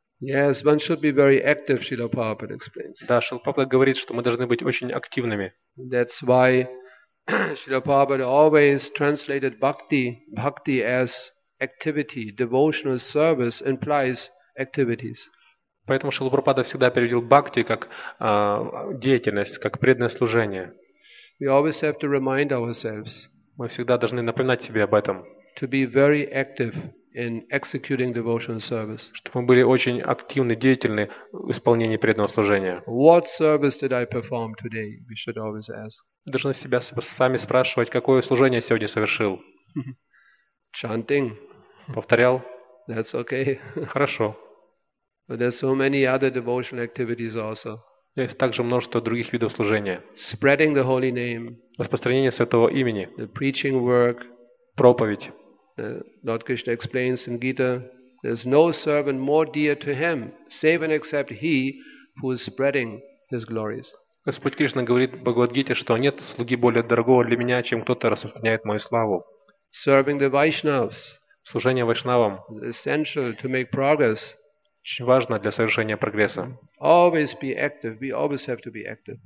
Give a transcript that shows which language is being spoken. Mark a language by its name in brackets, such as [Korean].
[English] Yes, one should be very active, Srila Prabhupada explains. [Russian] Да, Шрила Прабхупада говорит, что мы должны быть очень активными. [English] That's why Srila Prabhupada always translated bhakti as activity. Devotional service implies activities. [Russian] Поэтому Шрила Прабхупада всегда переводил бхакти как деятельность, как преданное служение. [English] We always have to remind ourselves. [Russian] Мы всегда должны напоминать себе об этом. [English] To be very active in executing devotional service. [Russian] Чтобы мы были очень активны, деятельны в исполнении преданного служения. [English] What service did I perform today? We should always ask. [Russian] Должны себя сами спрашивать, какое служение я сегодня совершил. [English] Chanting. [Russian] Повторял. [English] That's okay. [Russian] Хорошо. [English] But there's so many other devotional activities also. [Russian] Есть также множество других видов служения. [English] Spreading the holy name. [Russian] Распространение святого имени. [English] The preaching work. [Russian] Проповедь. [English] Lord Krishna explains in Gita, there is no servant more dear to him, save and except he who is spreading his glories. [Russian] Господь Кришна говорит в Бхагавад-гите, что нет слуги более дорогого для меня, чем кто-то распространяет мою славу. [English] Serving the Vaishnavas. [Russian] Служение вайшнавам. [English] Essential to make progress. [Russian] Очень важно для совершения прогресса. [English] Always be active. We always have to be active.